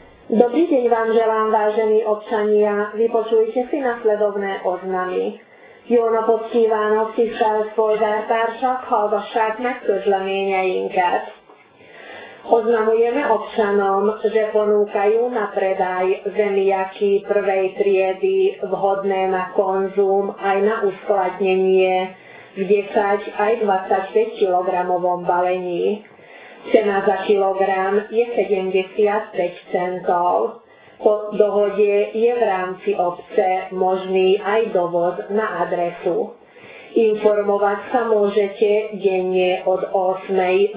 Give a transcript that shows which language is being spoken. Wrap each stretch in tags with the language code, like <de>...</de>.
<sk>Dobrý deň vám želám, vážení občania. Vypočujte si nasledovné oznamy.</sk> <hu>Jó napot kívánok, tisztelt polgártársak, hallgassák meg közleményeinket.</hu> <sk>Oznamujeme občanom, že ponúkajú na predaj zemiaky prvej triedy vhodné na konzum aj na uskladnenie v 10 aj 25 kg balení. Cena za kilogram je 75 centov. Po dohode je v rámci obce možný aj dovoz na adresu. Informovať sa môžete denne od 8.</sk>